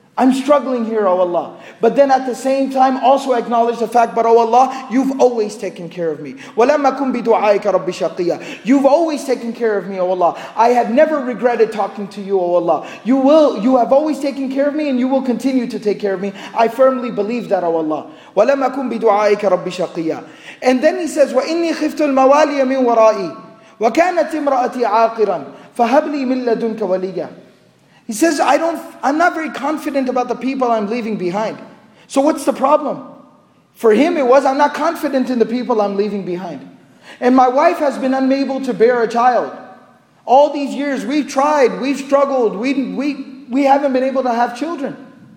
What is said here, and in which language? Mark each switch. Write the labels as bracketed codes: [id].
[en] I'm struggling here, O Allah. But then at the same time, also acknowledge the fact, but O Allah, you've always taken care of me. [ar] وَلَمَّا كُنْ بِدُعَائِكَ رَبِّ شَقِيَّ. [en] You've always taken care of me, O Allah. I have never regretted talking to you, O Allah. You have always taken care of me and you will continue to take care of me. I firmly believe that, O Allah. [ar] وَلَمَّا كُنْ بِدُعَائِكَ رَبِّ شَقِيَّ. [en] And then he says, [ar] وَإِنِّي خِفْتُ الْمَوَالِيَ مِنْ وَرَائِي وَكَانَتْ إِمْرَأَتِي عَاقِرًا فَهَبْ لِي مِنْ لَدُنْكَ وَلِيًّا. [en] He says, I'm not very confident about the people I'm leaving behind. So what's the problem? For him it was, I'm not confident in the people I'm leaving behind. And my wife has been unable to bear a child. All these years we've tried, we've struggled, we haven't been able to have children.